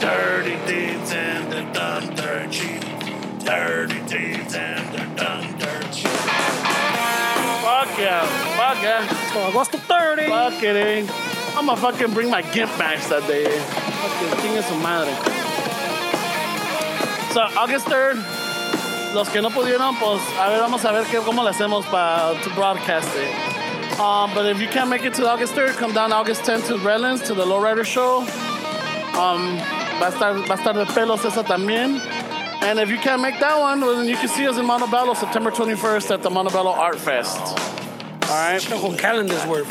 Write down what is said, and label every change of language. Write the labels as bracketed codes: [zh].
[en] Dirty Deeds and the Thunder Chief! Dirty Deeds and the Thunder Chief! Fuck yeah! Fuck yeah! So I lost the 30! Fuck it, eh? I'm gonna fucking bring my gimp back that day. Fucking king of some madre. [es] So August 3rd, los que no pudieron, pues, a ver, vamos a ver cómo le hacemos [en] to broadcast it. But if you can't make it to August 3rd, come down August 10th to Redlands to the Lowrider Show. [es] Va a estar de pelos esa también. [en] And if you can't make that one, well, then you can see us in Montebello September 21st at the Montebello Art Fest. All right. The whole calendar's work.